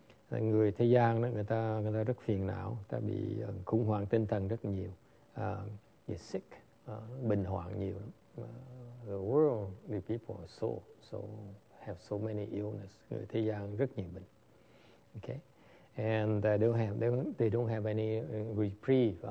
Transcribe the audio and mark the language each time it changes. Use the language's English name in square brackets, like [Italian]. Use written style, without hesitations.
[Vietnamese] Người thế gian đó người ta rất phiền não, ta bị khủng hoảng tinh thần rất nhiều. [English] They're sick, [Vietnamese] bệnh hoạn nhiều lắm. [English] The world, the people are so have so many illness. [Vietnamese] Người thế gian rất nhiều bệnh. [English] Okay, and they don't have any reprieve.